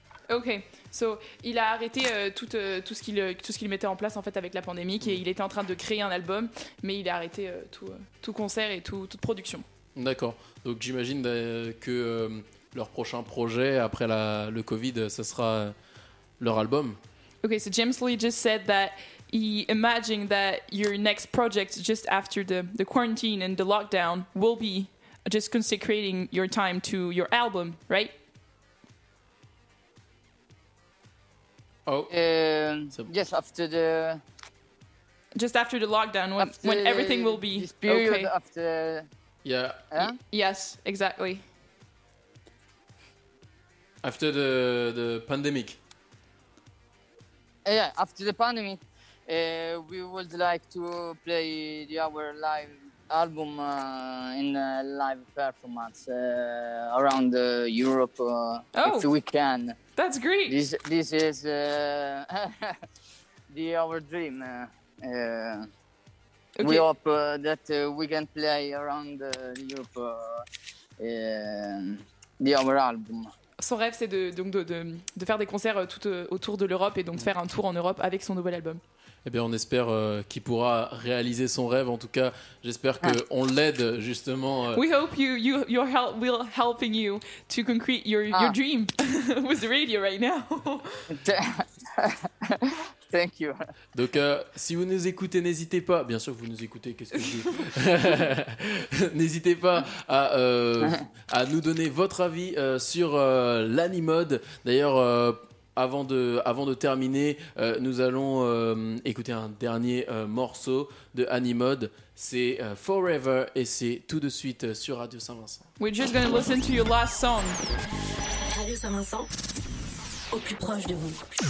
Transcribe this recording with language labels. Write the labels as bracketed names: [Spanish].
[French] Ok, so il a arrêté tout ce qu'il mettait en place en fait avec la pandémie et il était en train de créer un album, mais il a arrêté tout concert et toute production. D'accord, donc j'imagine que leur prochain projet après le Covid, ce sera leur album. [English] Ok, so James Lee just said that he imagined that your next project just after the quarantine and the lockdown will be just consecrating your time to your album, right? Oh. Yes, after the just after the lockdown, when everything will be this period okay. After. Yeah. Yes, exactly. After the pandemic. Yeah, after the pandemic, we would like to play our live album in a live performance around Europe if we can. That's great. This is our dream. Okay. We hope that we can play around Europe our album. [French] Son rêve, c'est de faire des concerts tout autour de l'Europe et donc de faire un tour en Europe avec son nouvel album. Eh bien, on espère qu'il pourra réaliser son rêve. En tout cas, j'espère qu'on l'aide justement. [English] We hope your help will helping you to concrete your dream with the radio right now. Thank you. [French] Donc, si vous nous écoutez, n'hésitez pas. Bien sûr, vous nous écoutez. Qu'est-ce que je dis ? N'hésitez pas à nous donner votre avis sur l'Animode. D'ailleurs, avant de terminer, nous allons écouter un dernier morceau de Animode. C'est Forever et c'est tout de suite sur Radio Saint-Vincent. [English] We're just going to listen to your last song. [French] Radio Saint-Vincent, au plus proche de vous.